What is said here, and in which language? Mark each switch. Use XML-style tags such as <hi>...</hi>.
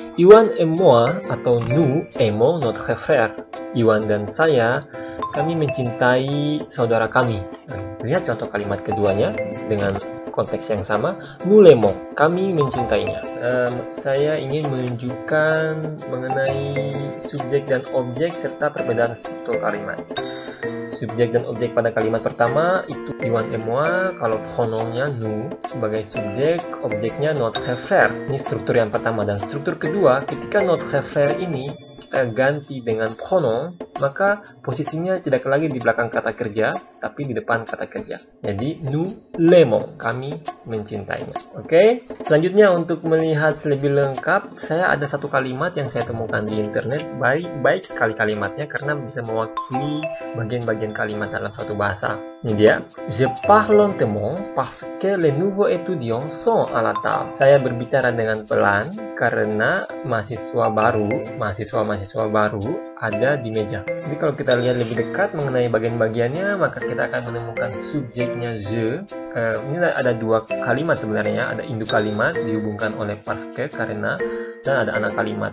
<fr>Iwan et moi, atau nous aimons notre frère.</fr> <id>Iwan dan saya, kami mencintai saudara kami. Lihat contoh kalimat keduanya dengan konteks yang sama.</id> <fr>Nous l'aimons,</fr> <id>kami mencintainya. Saya ingin menunjukkan mengenai subjek dan objek serta perbedaan struktur kalimat. Subjek dan objek pada kalimat pertama itu</id> <fr>Iwan et moi,</fr> <id>kalau pronomnya nous sebagai subjek, objeknya</id> <fr>notre frère.</fr> <id>Ini struktur yang pertama. Dan struktur kedua, ketika</id> <fr>notre frère</fr> <id>ini kita ganti dengan pronom, maka posisinya tidak lagi di belakang kata kerja, tapi di depan kata kerja. Jadi,</id> <fr>nous l'aimons,</fr> <id>kami mencintainya. Oke, selanjutnya untuk melihat lebih lengkap, saya ada satu kalimat yang saya temukan di internet, baik sekali kalimatnya, karena bisa mewakili bagian-bagian kalimat dalam satu bahasa. Ini dia.</id> <fr>Je parle lentement parce que les nouveaux étudiants sont à la table.</fr> <id>Saya berbicara dengan pelan karena mahasiswa-mahasiswa baru ada di meja. Jadi kalau kita lihat lebih dekat mengenai bagian-bagiannya, maka kita akan menemukan subjeknya je. Ini ada dua kalimat sebenarnya. Ada induk kalimat dihubungkan oleh</id> <fr>parce que,</fr> <id>karena, dan ada anak kalimat.</id>